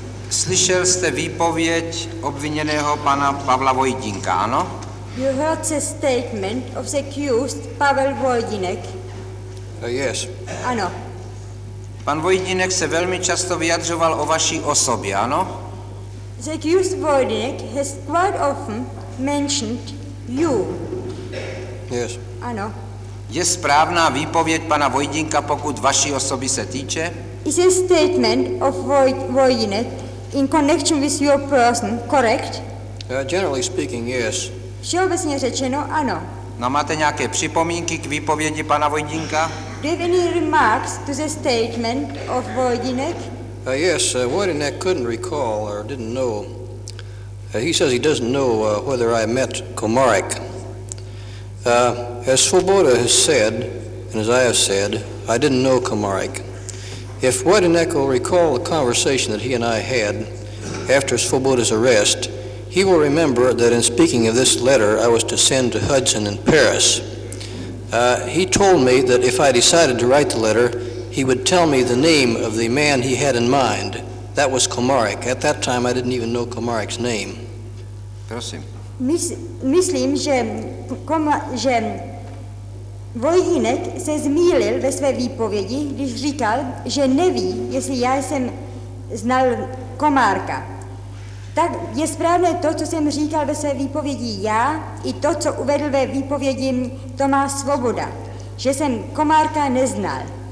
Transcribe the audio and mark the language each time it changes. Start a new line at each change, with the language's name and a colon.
Czech: Slyšel jste výpověď obviněného pana Pavla Vojdinka, ano?
English: You heard the statement of the accused Pavel Vojdinek. Yes.
Czech: Ano. Pan Vojdinek se velmi často vyjadřoval o vaší osobě, ano?
English: The accused Vojdinek has quite often mentioned you. Yes.
Czech: Ano. Je správná výpověď pana Vojdinka, pokud vaší osoby se týče?
English: Is the statement of Vojdinek in connection with your person correct? Generally speaking, yes.
Czech: Všeobecně řečeno, ano. No, máte nějaké připomínky k výpovědi pana Vojdinka?
English: Do you have any remarks to the statement of Vojdinek? Yes, Vojdinek couldn't recall or didn't know. He says he doesn't know whether I met Komarek. As Svoboda has said, and as I have said, I didn't know Komarek. If Vojdinek will recall the conversation that he and I had after Svoboda's arrest, he will remember that in speaking of this letter I was to send to Hudson in Paris. He told me that if I decided to write the letter, he would tell me the name of the man he had in mind. That was Komarek. At that time I didn't even know Komarek's name.
Czech: Prosím. Myslím, že Vojdinek se zmýlil ve své výpovědi, když říkal, že neví, jestli já jsem znal Komárka. Tak je správné to, co jsem říkal ve své výpovědi já, i to, co uvedl ve výpovědi Tomáš Svoboda, že jsem Komárka neznal.